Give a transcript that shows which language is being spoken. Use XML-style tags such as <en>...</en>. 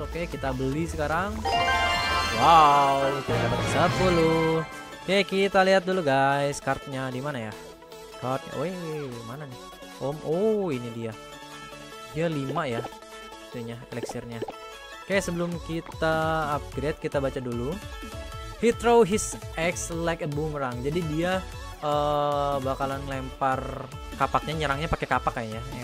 <id>Oke, kita beli sekarang. Wow, kita dapat 10. Oke, kita lihat dulu guys, card-nya di mana ya? Card, mana nih? Ini dia. Dia 5 ya itunya, elixir-nya. Oke, sebelum kita upgrade, kita baca dulu.</id> <en>He throw his axe like a boomerang.</en> <id>Jadi dia bakalan lempar kapaknya, nyerangnya pakai kapak kayaknya.</id>